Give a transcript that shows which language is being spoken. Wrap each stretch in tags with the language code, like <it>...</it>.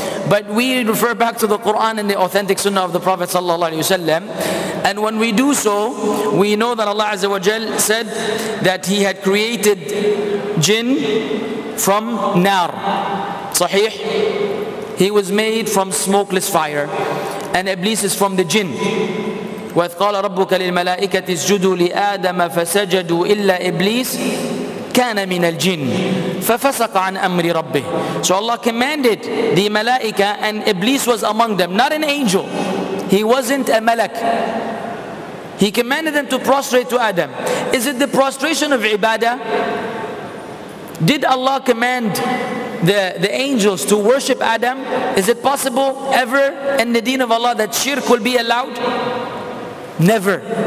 <en>But we refer back to the Quran and the authentic sunnah of the Prophet sallallahu alaihi wasallam. And when we do so, we know that Allah Azza wa Jal said that he had created jinn from nar. Sahih? He was made from smokeless fire. And Iblis is from the jinn.</en> <ar>وَإِذْ قَالَ رَبُّكَ لِلْمَلَائِكَةِ اسْجُدُوا لِآدَمَ فَسَجَدُوا إِلَّا إِبْلِيسِ كَانَ مِنَ الْجِنِّ فَفَسَقَ عَنْ أَمْرِ رَبِّهِ.</ar> <en>So Allah commanded the malaika, and Iblis was among them. Not an angel. He wasn't a malak. He commanded them to prostrate to Adam. Is it the prostration of ibadah? Did Allah command the angels to worship Adam? Is it possible ever in the deen of Allah that shirk will be allowed? Never.</en>